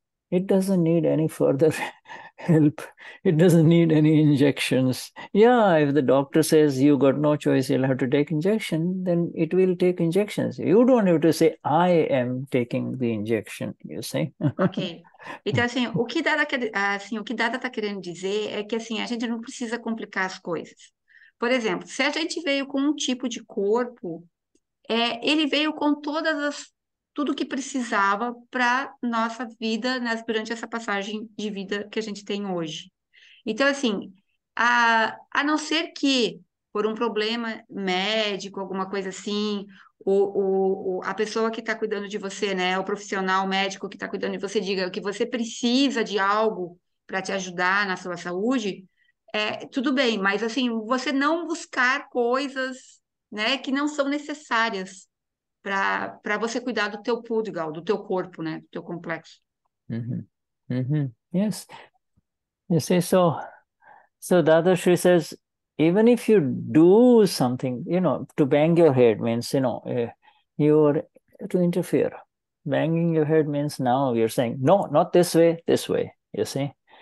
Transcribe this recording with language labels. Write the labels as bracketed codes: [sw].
[en] It doesn't need any further help. It doesn't need any injections. Yeah, if the doctor says you got no choice, you'll have to take injection, then it will take injections. You don't have to say, I am taking the injection, you see? Ok. [pt] Então, assim, o que Dada está querendo dizer é que, assim, a gente não precisa complicar as coisas. Por exemplo, se a gente veio com um tipo de corpo, ele veio com todas as tudo que precisava para nossa vida, né, durante essa passagem de vida que a gente tem hoje. Então, assim, a não ser que por um problema médico, alguma coisa assim, a pessoa que está cuidando de você, né, o profissional médico que está cuidando de você, diga que você precisa de algo para te ajudar na sua saúde, tudo bem, mas, assim, você não buscar coisas, né, que não são necessárias para você cuidar do teu pudgal, do teu corpo, né? Do teu complexo. [en] Yes. You see, so Dadashri says, even if you do something, you know, to bang your head means, you know, you're to interfere. Banging your head means now you're saying, no, not this way, this way. You see?